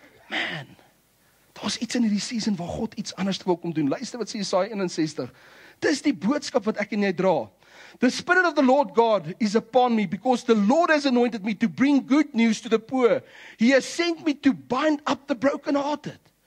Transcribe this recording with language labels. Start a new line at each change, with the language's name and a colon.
Afrikaans: Man, daar is iets in hierdie season waar God iets anders wil kom doen. Luister wat sê Jesaja 61. Dis die boodskap wat ek en jy dra.
English: The Spirit of the Lord God is upon me because the Lord has anointed me to bring good news to the poor. He has sent me to bind up the brokenhearted.